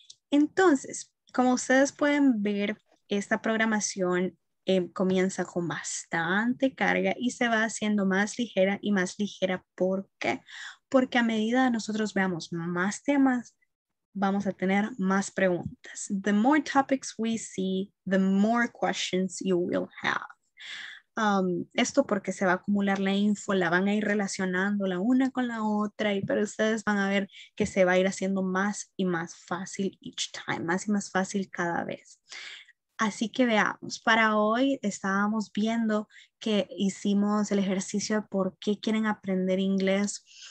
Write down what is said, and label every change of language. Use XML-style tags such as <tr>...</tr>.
<es>Entonces, como ustedes pueden ver, esta programación comienza con bastante carga y se va haciendo más ligera y más ligera. ¿Por qué? Porque a medida que nosotros veamos más temas, vamos a tener más preguntas.</es> <en>The more topics we see, the more questions you will have.</en> <es>Esto porque se va a acumular la info, la van a ir relacionando la una con la otra, pero ustedes van a ver que se va a ir haciendo más y más fácil</es> <en>each time,</en> <es>más y más fácil cada vez. Así que veamos, para hoy estábamos viendo que hicimos el ejercicio de por qué quieren aprender inglés.</es>